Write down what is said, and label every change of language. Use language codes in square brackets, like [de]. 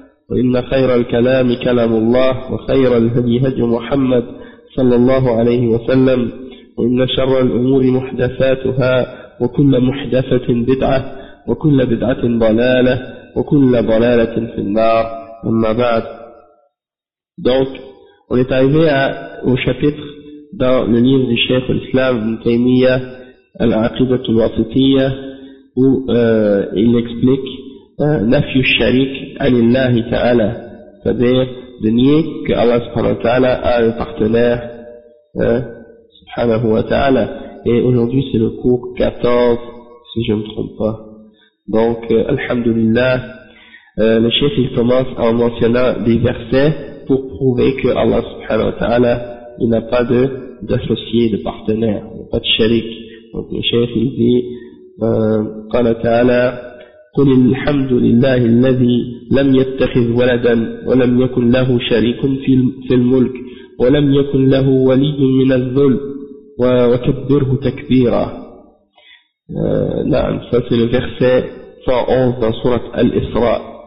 [ar] وإن خير الكلام كلام الله وخير الهدي هدي محمد صلى الله عليه وسلم وإن شر الأمور محدثاتها وكل محدثة بدعة وكل بدعة ضلالة وكل ضلالة في النار أما بعد. [fr] Donc, on est arrivé au chapitre dans le livre du Cheikh Al-Islam Ibn Taymiyyah, Al-Aqidat Al-Wasitiyyah, où il explique Nafyu Sharik Alillahi Ta'ala, c'est-à-dire de nier que Allah subhanahu wa ta'ala a un partenaire, subhanahu wa ta'ala. Et aujourd'hui c'est le cours 14, si je ne me trompe pas. Donc, Alhamdulillah, le Cheikh il commence en mentionnant des versets pour prouver que Allah subhanahu wa ta'ala il n'a pas de d'associé, de partenaire, pas de sharik. Donc le chef il dit [ar] قال تعالى قل الحمد لله الذي لم يتخذ ولدا ولم يكن له شريك في الملك ولم يكن له ولي من الذل وكبره تكبيرا. [fr] نعم, ça c'est le verset 111 dans sourate Al-Isra.